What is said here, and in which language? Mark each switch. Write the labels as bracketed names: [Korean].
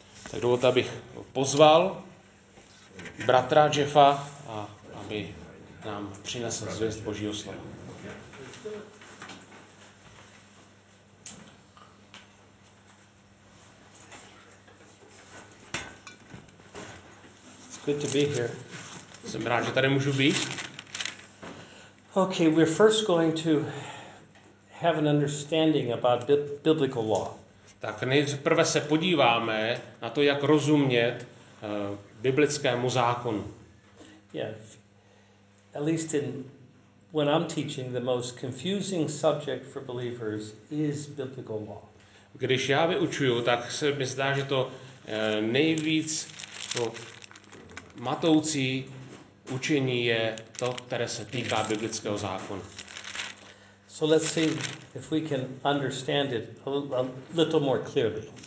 [Czech] Tak dovolte, abych pozval bratra Jeffa, aby nám přinesl zvěst Božího slova. [English] It's good to be here. [Czech] Jsem rád, že tady můžu být. [English] Okay, we're first going to have an understanding about biblical law. [Czech] Tak nejprve se podíváme na to, jak rozumět biblickému zákonu. [English] Yes. At least in when I'm teaching, the most confusing subject for believers is biblical law. [Czech] Když já vyučuju, tak se mi zdá, že to nejvíc to matoucí učení je to, které se týká biblického zákona. [English] So let's see if we can understand it a little more clearly.